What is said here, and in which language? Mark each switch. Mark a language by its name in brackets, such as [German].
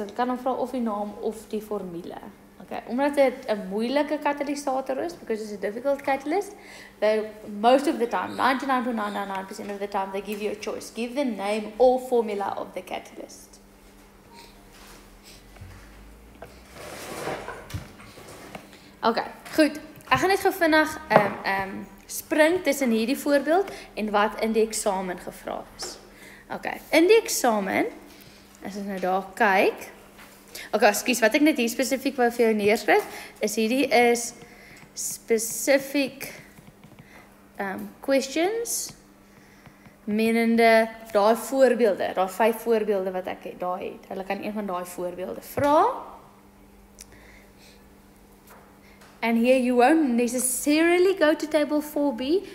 [Afrikaans] Hulle kan vra of die naam of die formule. [English] Okay, [Afrikaans] omdat dit 'n moeilike katalysator is, [English] because it's a difficult catalyst, they most of the time, 99.999% of the time, they give you a choice. Give the name or formula of the catalyst. [Afrikaans] Okay, goed. Ek gaan net gou vinnig spring tussen hierdie voorbeeld en wat in die eksamen gevra is. Okay, in die eksamen, as ons nou daar kyk. Okay, ekskuus, wat ek net hier spesifiek wou vir jou neerskryf, is hierdie is specific questions, menende daai voorbeelde, daai 5 voorbeelde wat ek daar het. Hulle kan een van daai voorbeelde vra. [English] And here you won't necessarily go to table 4B.